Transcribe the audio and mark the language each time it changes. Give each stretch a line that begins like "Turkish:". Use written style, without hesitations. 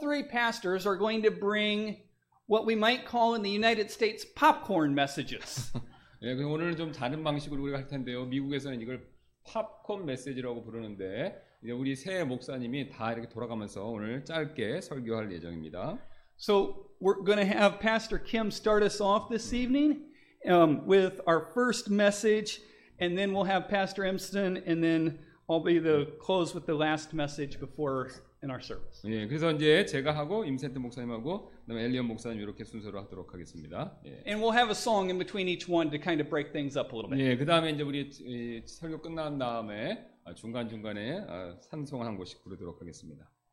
English: Pastors are going to bring what we might call in the United States popcorn messages.
Korean: 예, 오늘은 좀 다른 방식으로 우리가 할 텐데요. 미국에서는 이걸 팝콘 메시지라고 부르는데 이제 우리 세 목사님이 다 이렇게 돌아가면서 오늘 짧게 설교할 예정입니다.
English: So we're going to have Pastor Kim start us off this evening with our first message, and then we'll have Pastor Emston, and then I'll be the close with the last message before. In our service.
Korean: 예, 그래서 이제 제가 하고 임센트 목사님하고 그다음에 엘리언 목사님 이렇게 순서로 하도록 하겠습니다. 예.
English: And we'll have a song in between each one to kind of break things up a little bit.
Korean: 예, 그다음에 이제 우리 설교 끝난 다음에 중간 중간에 찬송 한 곡씩 부르도록 하겠습니다.